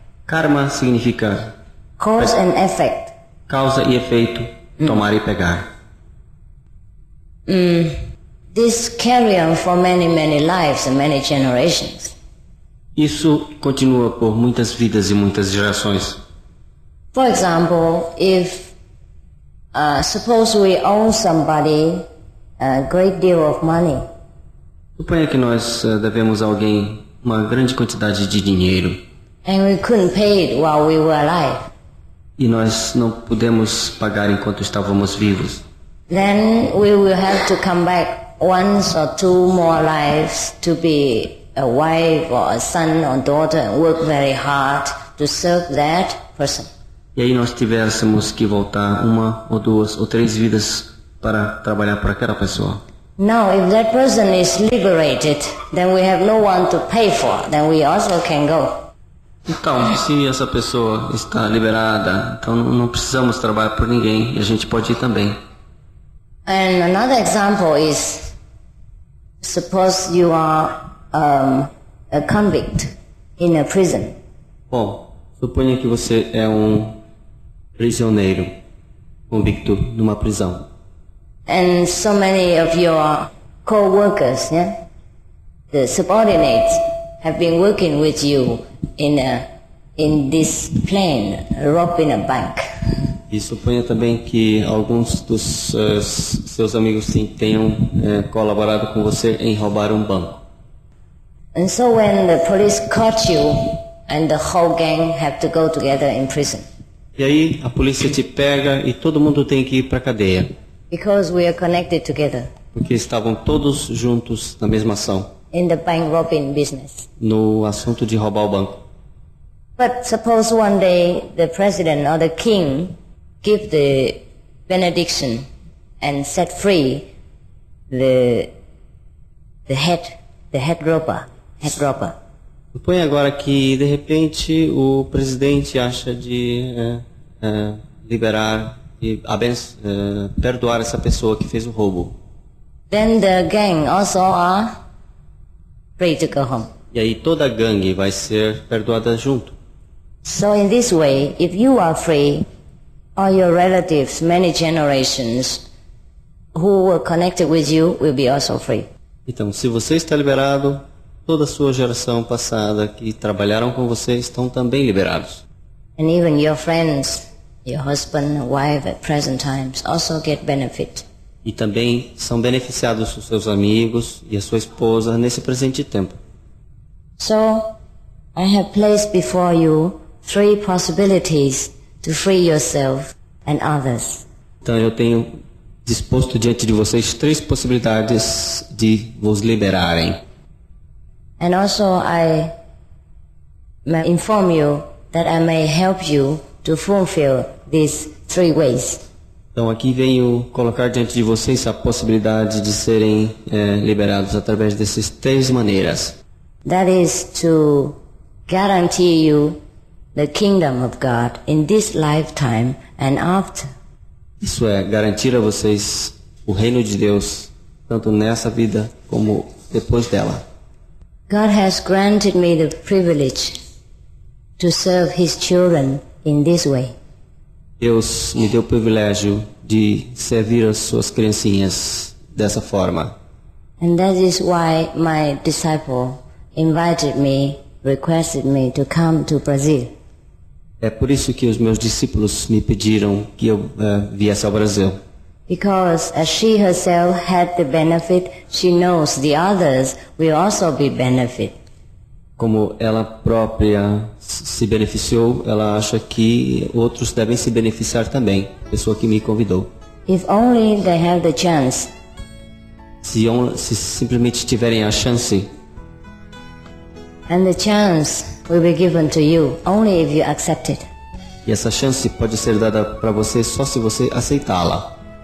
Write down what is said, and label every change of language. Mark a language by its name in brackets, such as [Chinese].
[Portuguese] Karma significa [English] cause and effect. [Portuguese] Causa e efeito, tomar e pegar. [English] This carry on for many, many lives and many generations. [Portuguese] Isso continua por muitas vidas e muitas gerações. [English] For example, if suppose we owe somebody a great deal of money. [Portuguese] Suponha que nós devemos a alguém uma grande quantidade de dinheiro. [English] And we couldn't pay it while we were alive. [Portuguese] E nós não pudemos pagar enquanto estávamos vivos. [English] Then we will have to come back once or two more lives to be a wife or a son or daughter and work very hard to serve that person. [Portuguese] E aí nós tivéssemos que voltar uma ou duas ou três vidas para trabalhar para aquela pessoa. [English] Now if that person is liberated, then we have no one to pay for, then we also can go. [Portuguese] Então, se essa pessoa está liberada, então não precisamos trabalhar por ninguém e a gente pode ir também. [English] And another example is, suppose you are a convict in a prison. [Portuguese] Bom, suponha que você é um prisioneiro, convicto numa prisão. [English] And so many of your co-workers, yeah, the subordinates, have been working with you in this plane, robbing a bank. [Portuguese] E suponha também que alguns dos seus amigos sim tenham colaborado com você em roubar um banco. [English] And so when the police caught you and the whole gang have to go together in prison. [Portuguese] E aí a polícia te pega e todo mundo tem que ir para a cadeia. [English] Because we are connected together. [Portuguese] Porque estavam todos juntos na mesma ação. [English] In the bank robbing business. [Portuguese] No assunto de roubar o banco. [English] But suppose one day the president or the king give the benediction and set free the head robber. [Portuguese] Supõe agora que de repente o presidente acha de liberar e perdoar essa pessoa que fez o roubo. [English] Then the gang also are free to go home. [Portuguese] E aí toda a gangue vai ser perdoada junto. [English] So in this way, if you are free, all your relatives, many generations, who were connected with you, will be also free. [Portuguese] Então, se você está liberado, toda a sua geração passada que trabalharam com você estão também liberados. [English] And even your friends, your husband, wife at present times, also get benefit. [Portuguese] E também são beneficiados os seus amigos e a sua esposa nesse presente tempo. [English] So, I have placed before you three possibilities to free yourself and others. [Portuguese] Então eu tenho disposto diante de vocês três possibilidades de vos liberarem. [English] And also I may inform you that I may help you to fulfill these three ways. [Portuguese] Então aqui venho colocar diante de vocês a possibilidade de serem liberados através dessas três maneiras. [English] That is to guarantee you the kingdom of God in this lifetime and after. [Portuguese] Isso é garantir a vocês o reino de Deus tanto nessa vida como depois dela. [English] God has granted me the privilege to serve His children in this way. [Portuguese] Deus me deu o privilégio de servir as suas criancinhas dessa forma. [English] And that is why my disciple invited me, requested me to come to Brazil. [Portuguese] É por isso que os meus discípulos me pediram que eu viesse ao Brasil. [English] Because as she herself had the benefit, she knows the others will also be benefit. [Portuguese] Como ela própria se beneficiou, ela acha que outros devem se beneficiar também, pessoa que me convidou. [English] If only they have the chance [Portuguese] se simplesmente tiverem a chance. [English] And the chance will be given to you only if you accept it. [Portuguese] E essa chance pode ser dada para você só se você aceitá-la.